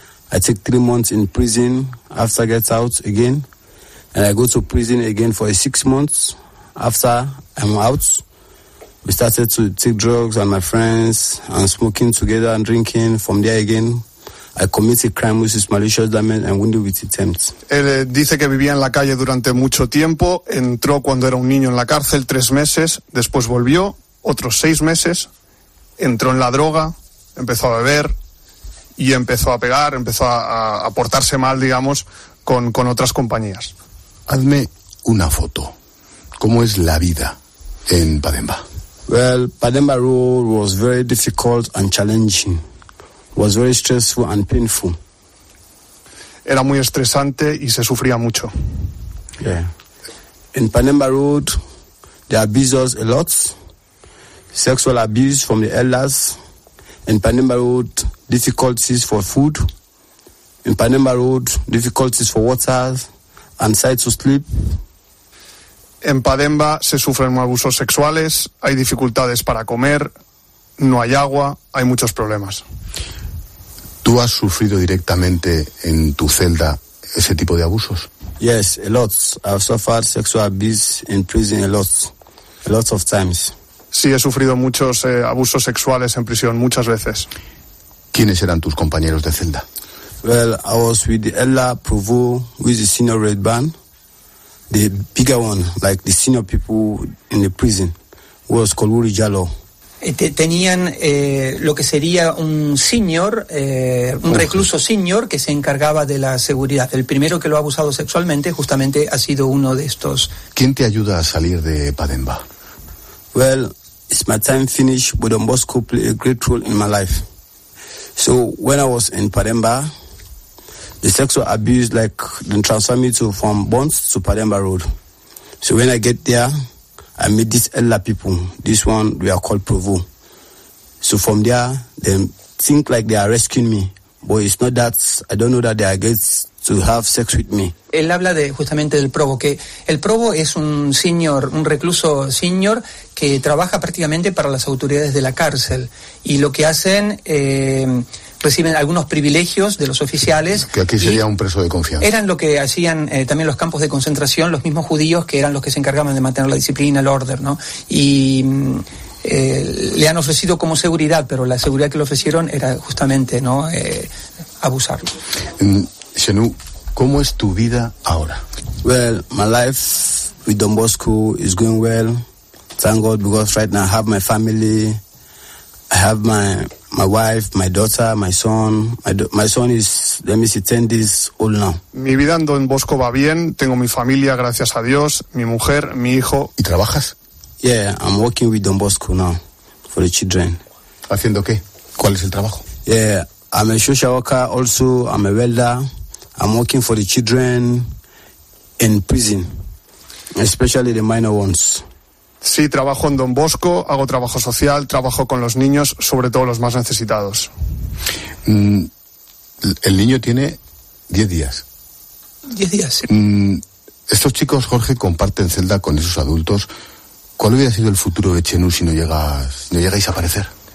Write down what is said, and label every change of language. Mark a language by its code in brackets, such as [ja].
[en] I took 3 months in prison. After I get out again, and I go to prison again for 6 months. After I'm out, we started to take drugs and my friends and smoking together and drinking. From there again, I committed crime which is malicious damage and wounded with attempt. [es] Él dice que vivía en la calle durante mucho tiempo. Entró cuando era un niño en la cárcel, 3 meses. Después volvió, otros 6 meses. Entró en la droga, empezó a beber y empezó a pegar, empezó a portarse mal, digamos, con otras compañías. Hazme una foto. ¿Cómo es la vida en Padimba? [en] Well, Padimba Road was very difficult and challenging. Was very stressful and painful. [es] Era muy estresante y se sufría mucho. [en] Yeah. In Padimba Road, they abuse us a lot. Sexual abuse from the elders. In Padimba Road, difficulties for food. In Padimba Road, difficulties for water. Inside to sleep. [es] En Padimba se sufren abusos sexuales, hay dificultades para comer, no hay agua, hay muchos problemas. ¿Tú has sufrido directamente en tu celda ese tipo de abusos? [en] Yes, a lot. I've suffered sexual abuse in prison a lot of times. [es] Sí, he sufrido muchos abusos sexuales en prisión muchas veces. ¿Quiénes eran tus compañeros de celda? [en] Well, I was with the Ella Provo, who is the senior red band, the bigger one, like the senior people in the prison, was Koluri Jalo. [es] Tenían lo que sería un senior, un recluso senior que se encargaba de la seguridad. El primero que lo ha abusado sexualmente justamente ha sido uno de estos. ¿Quién te ayuda a salir de Padimba? [en] Well, it's my time finished, but Don Bosco played a great role in my life. So when I was in Padimba, the sexual abuse like then transferred me to from Bonds to Padimba Road. So when I get there, I meet these elder people. This one we are called Provo. So from there, they think like they are rescuing me, but it's not that. I don't know that they are get to have sex with me. [es] Él habla de justamente del Provo, que el Provo es un señor, un recluso señor que trabaja prácticamente para las autoridades de la cárcel y lo que hacen reciben algunos privilegios de los oficiales. Que aquí sería un preso de confianza. Eran lo que hacían también los campos de concentración, los mismos judíos que eran los que se encargaban de mantener la disciplina, el orden, ¿no? Y le han ofrecido como seguridad, pero la seguridad que le ofrecieron era justamente, ¿no? Abusar. Xenú, ¿cómo es tu vida ahora? [en] Well, my life with Don Bosco is going well. Thank God, because right now I have my family. I have my wife, my daughter, my son. My son is, let me see, 10 days old now. [es] Mi vida en Don Bosco va bien. Tengo mi familia, gracias a Dios, mi mujer, mi hijo. ¿Y trabajas? [en] Yeah, I'm working with Don Bosco now for the children. [es] ¿Haciendo qué? ¿Cuál es el trabajo? [en] Yeah, I'm a social worker also. I'm a welder. I'm working for the children in prison, especially the minor ones. [es] Sí, trabajo en Don Bosco, hago trabajo social, trabajo con los niños, sobre todo los más necesitados. El niño tiene 10 días. 10 días, sí. Estos chicos, Jorge, comparten celda con esos adultos. ¿Cuál hubiera sido el futuro de Xenú si no llegáis a aparecer?